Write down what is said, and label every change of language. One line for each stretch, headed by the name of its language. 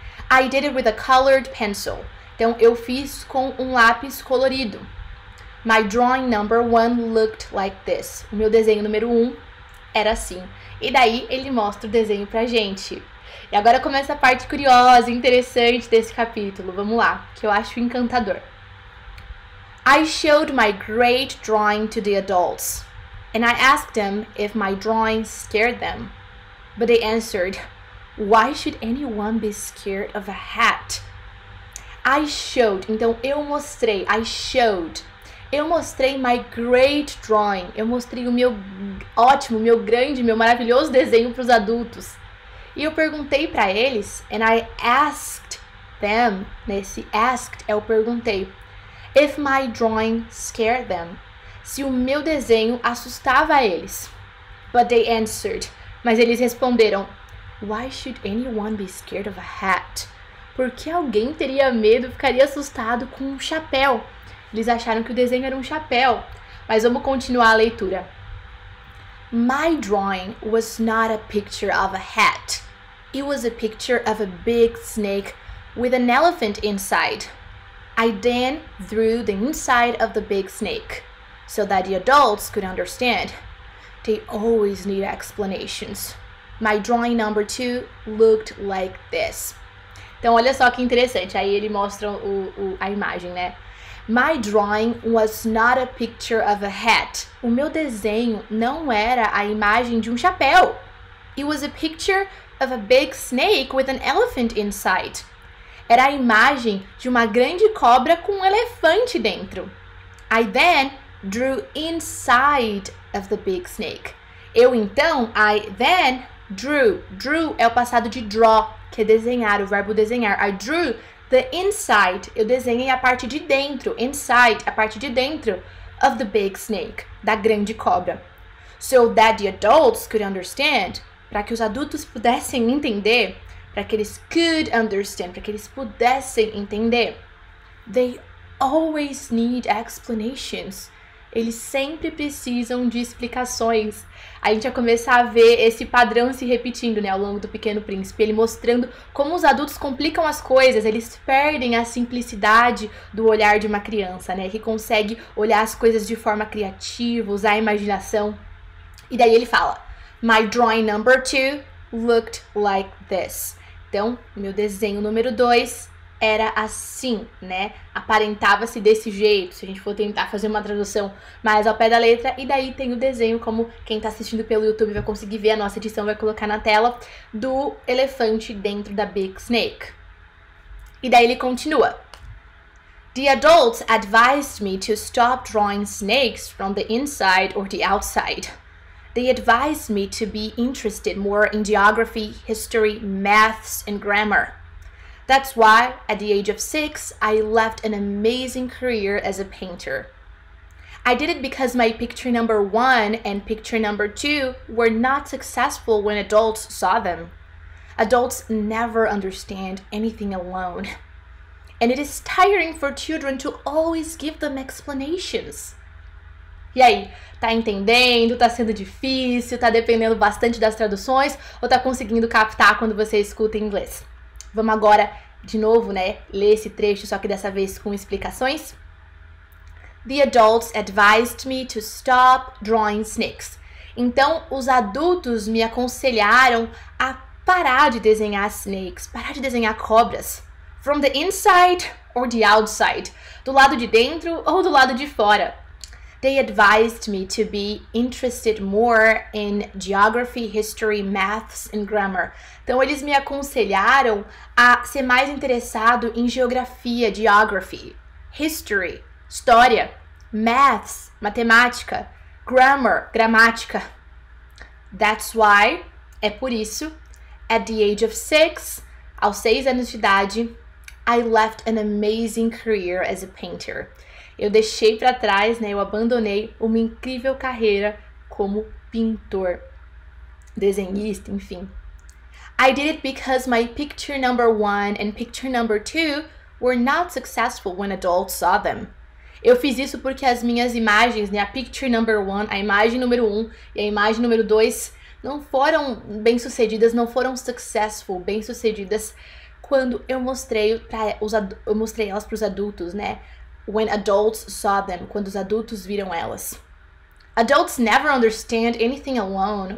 English: I did it with a colored pencil.
Portuguese: Então, eu fiz com um lápis colorido.
English: My drawing number 1 looked like this.
Portuguese: O meu desenho número 1 era assim. E daí, ele mostra o desenho pra gente. E agora começa a parte curiosa, interessante desse capítulo. Vamos lá, que eu acho encantador.
English: I showed my great drawing to the adults. And I asked them if my drawing scared them. But they answered, Why should anyone be scared of a hat? I showed.
Portuguese: Então, eu mostrei.
English: I showed.
Portuguese: Eu mostrei
English: my great drawing.
Portuguese: Eu mostrei o meu ótimo, meu grande, meu maravilhoso desenho para os adultos. E eu perguntei para eles,
English: and I asked them,
Portuguese: nesse
English: asked,
Portuguese: eu perguntei,
English: if my drawing scared them,
Portuguese: se o meu desenho assustava eles.
English: But they answered,
Portuguese: mas eles responderam,
English: why should anyone be scared of a hat?
Portuguese: Por que alguém teria medo, ficaria assustado com um chapéu? Eles acharam que o desenho era um chapéu. Mas vamos continuar a leitura.
English: My drawing was not a picture of a hat. It was a picture of a big snake with an elephant inside. I then drew the inside of the big snake so that the adults could understand. They always need explanations. My drawing number 2 looked like this.
Portuguese: Então olha só que interessante. Aí ele mostra a imagem, né?
English: My drawing was not a picture of a hat.
Portuguese: O meu desenho não era a imagem de um chapéu.
English: It was a picture of a big snake with an elephant inside.
Portuguese: Era a imagem de uma grande cobra com um elefante dentro.
English: I then drew inside of the big snake.
Portuguese: Eu então,
English: I then drew.
Portuguese: Drew é o passado de draw, que é desenhar, o verbo desenhar.
English: I drew the inside,
Portuguese: eu desenhei a parte de dentro,
English: inside,
Portuguese: a parte de dentro,
English: of the big snake,
Portuguese: da grande cobra.
English: So that the adults could understand,
Portuguese: para que os adultos pudessem entender, para que eles
English: could understand,
Portuguese: para que eles pudessem entender.
English: They always need explanations.
Portuguese: Eles sempre precisam de explicações. A gente vai começar a ver esse padrão se repetindo, né, ao longo do Pequeno Príncipe. Ele mostrando como os adultos complicam as coisas. Eles perdem a simplicidade do olhar de uma criança, né? Que consegue olhar as coisas de forma criativa, usar a imaginação. E daí ele fala,
English: my drawing number 2 looked like this.
Portuguese: Então, meu desenho número 2... era assim, né? Aparentava-se desse jeito, se a gente for tentar fazer uma tradução mais ao pé da letra. E daí tem o desenho, como quem tá assistindo pelo YouTube vai conseguir ver, a nossa edição vai colocar na tela, do elefante dentro da Big Snake. E daí ele continua.
English: The adults advised me to stop drawing snakes from the inside or the outside. They advised me to be interested more in geography, history, maths and grammar. That's why, at the age of 6, I left an amazing career as a painter. I did it because my picture number 1 and picture number 2 were not successful when adults saw them. Adults never understand anything alone. And it is tiring for children to always give them explanations.
Portuguese: E aí, tá entendendo? Tá sendo difícil? Tá dependendo bastante das traduções? Ou tá conseguindo captar quando você escuta inglês? Vamos agora, de novo, né, ler esse trecho, só que dessa vez com explicações.
English: The adults advised me to stop drawing snakes.
Portuguese: Então, os adultos me aconselharam a parar de desenhar snakes, parar de desenhar cobras.
English: From the inside or the outside?
Portuguese: Do lado de dentro ou do lado de fora?
English: They advised me to be interested more in geography, history, maths and grammar.
Portuguese: Então, eles me aconselharam a ser mais interessado em geografia, geography, history, história, maths, matemática, grammar, gramática.
English: That's why,
Portuguese: é por isso,
English: at the age of 6,
Portuguese: aos 6 anos de idade,
English: I left an amazing career as a painter.
Portuguese: Eu deixei para trás, né, eu abandonei uma incrível carreira como pintor, desenhista, enfim.
English: I did it because my picture number 1 and picture number 2 were not successful when adults saw them.
Portuguese: Eu fiz isso porque as minhas imagens, né, a
English: picture number 1,
Portuguese: a imagem número 1 e a imagem número 2 não foram bem-sucedidas, não foram successful, bem-sucedidas quando eu mostrei elas para os adultos, né?
English: When adults saw them,
Portuguese: quando os adultos viram elas.
English: Adults never understand anything alone.